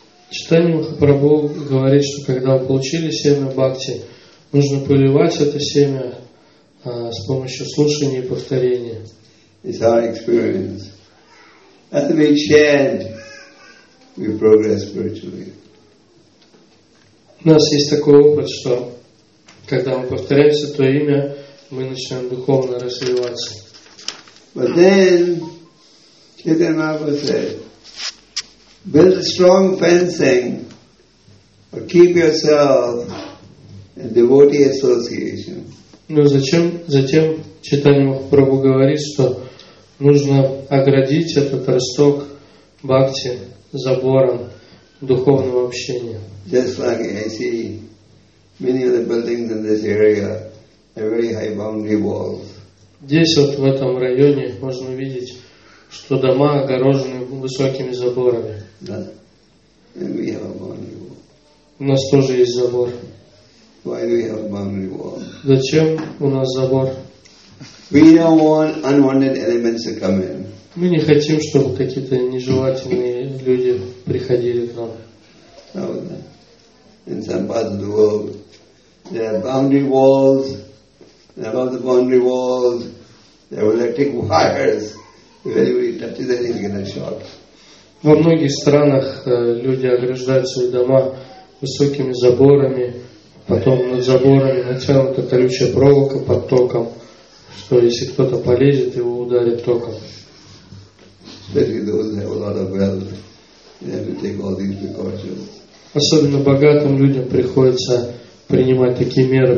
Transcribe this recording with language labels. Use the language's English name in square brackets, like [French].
[Russian] Читание Махапрабху говорит, что когда вы получили семя бхакти, нужно поливать это семя с помощью слушания и повторения. [English] It's our experience. As we chant, we progress spiritually. [Russian] У нас есть такой опыт, что когда мы повторяем Святое Имя, мы начинаем духовно развиваться. [English] But then, Chaitanya Mahaprabhu said, build a strong fencing or keep yourself in devotee association. [Russian] Но зачем? Затем Chaitanya Mahaprabhu говорит, что нужно оградить этот росток бхакти забором духовного общения. [English] Just like I see many of the buildings in this area have very high boundary walls. [Russian] Здесь вот в этом районе можно видеть, что дома огорожены высокими заборами. Да. [English] And we have a boundary wall. [Russian] У нас тоже есть забор. [English] Why do we have a boundary wall? [Russian] Зачем у нас забор? [English] We don't want unwanted elements to come in. [Russian] Мы не хотим, чтобы какие-то нежелательные люди приходили к нам. [English] In some parts of the world, there are boundary walls, and above the boundary walls, there are electric wires. If anybody touches anything, they get a shock. [Russian] Во многих странах люди ограждают свои дома высокими заборами, потом над заборами, над телом, это колючая проволока под током, что если кто-то полезет, его ударит током. Особенно богатым людям приходится принимать такие меры